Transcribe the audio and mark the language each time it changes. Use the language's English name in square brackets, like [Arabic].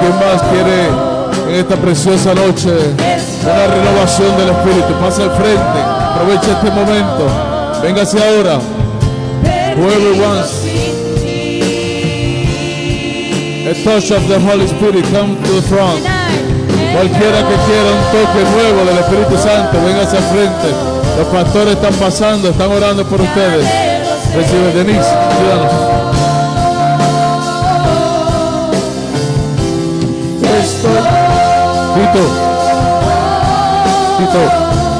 [Spanish] ¿Quién más quiere en esta preciosa noche una renovación del Espíritu? Pasa al frente. Aprovecha este momento. Véngase ahora. [English] Whoever wants a touch of the Holy Spirit, come to the front. [Spanish] Cualquiera que quiera un toque nuevo del Espíritu Santo, véngase al frente. Los pastores están pasando, están orando por ustedes. Recibe, Denise, ayúdanos. Tito. Tito.